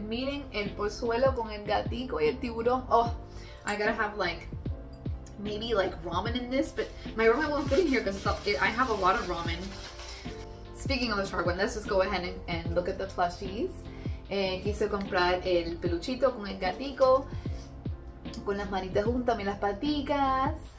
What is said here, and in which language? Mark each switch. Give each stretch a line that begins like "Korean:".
Spanish: Miren el pozuelo con el gatito y el tiburón.
English: Oh, I gotta have like, maybe like ramen in this, but my ramen won't fit in here because I have a lot of ramen. Speaking of the shark one, let's just go ahead and look at the plushies.
Spanish: Quise comprar el peluchito con el gatito, con las manitas juntas y las paticas.